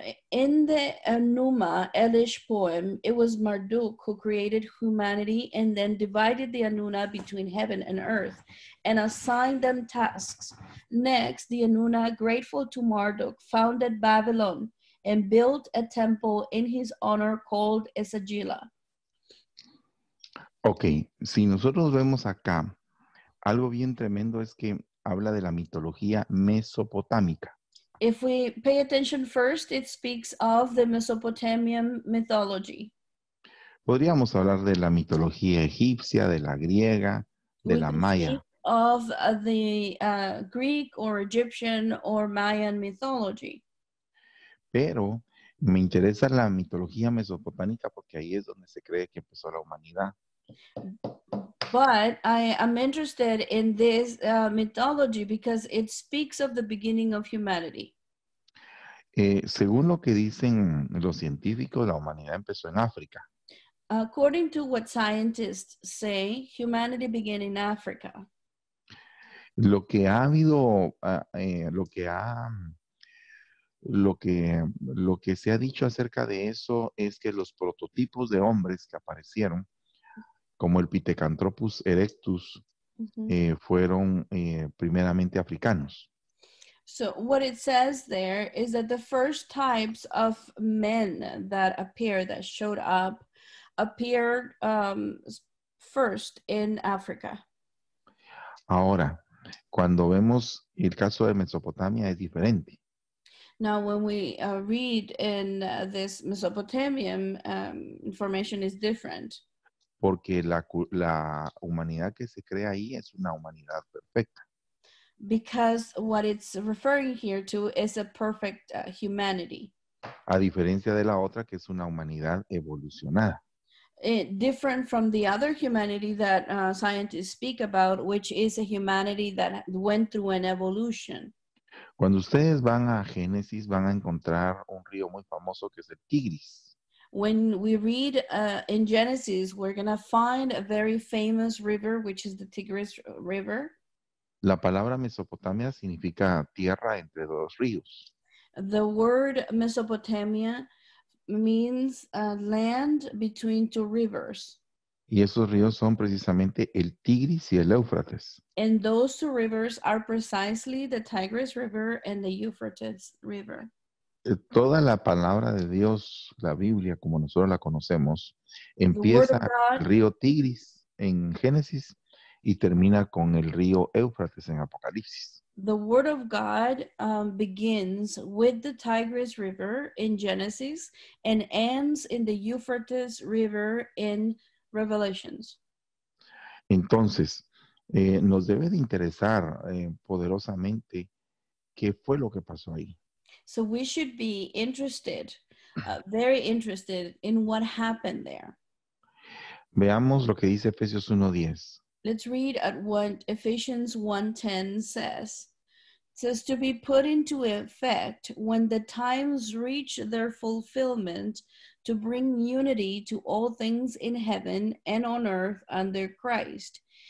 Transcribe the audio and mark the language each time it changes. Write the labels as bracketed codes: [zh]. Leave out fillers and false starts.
[en] In the Enuma Elish poem, it was Marduk who created humanity and then divided the Anuna between heaven and earth and assigned them tasks. Next, the Anuna, grateful to Marduk, founded Babylon and built a temple in his honor called Esagila. [es] Okay, si nosotros vemos acá, algo bien tremendo es que habla de la mitología mesopotámica. [en] If we pay attention first, it speaks of the Mesopotamian mythology. [es] Podríamos hablar de la mitología egipcia, de la griega, de [en] we [es] la maya. [en] Speak of the Greek or Egyptian or Mayan mythology. [es] Pero me interesa la mitología mesopotámica porque ahí es donde se cree que empezó la humanidad. [en] But I am interested in this mythology because it speaks of the beginning of humanity. [es] Según lo que dicen los científicos, la humanidad empezó en África. [en] According to what scientists say, humanity began in Africa. [es] Lo que ha habido, lo que ha, lo que se ha dicho acerca de eso es que los prototipos de hombres que aparecieron como el Pithecanthropus erectus, fueron primeramente africanos. [en] So what it says there is that the first types of men that appeared, that showed up, appeared first in Africa. [es] Ahora, cuando vemos el caso de Mesopotamia es diferente. [en] Now when we read in this Mesopotamian information is different. [es] Porque la humanidad que se crea ahí es una humanidad perfecta. [en] Because what it's referring here to is a perfect humanity. [es] A diferencia de la otra que es una humanidad evolucionada. [en] Different from the other humanity that scientists speak about, which is a humanity that went through an evolution. [es] Cuando ustedes van a Génesis van a encontrar un río muy famoso que es el Tigris. [en] When we read in Genesis, we're going to find a very famous river, which is the Tigris River. [es] La palabra Mesopotamia significa tierra entre dos ríos. [en] The word Mesopotamia means land between two rivers. [es] Y esos ríos son precisamente el Tigris y el Éufrates. [en] And those two rivers are precisely the Tigris River and the Euphrates River. [es] Toda la palabra de Dios, la Biblia, como nosotros la conocemos, empieza con el río Tigris en Génesis y termina con el río Éufrates en Apocalipsis. [en] The word of God begins with the Tigris River in Genesis and ends in the Euphrates River in Revelations. [es] Entonces, nos debe de interesar poderosamente qué fue lo que pasó ahí. [en] So we should be interested, very interested in what happened there. [es] Veamos lo que dice Efesios 1:10. [en] Let's read at what Ephesians 1:10 says. It says to be put into effect when the times reach their fulfillment to bring unity to all things in heaven and on earth under Christ.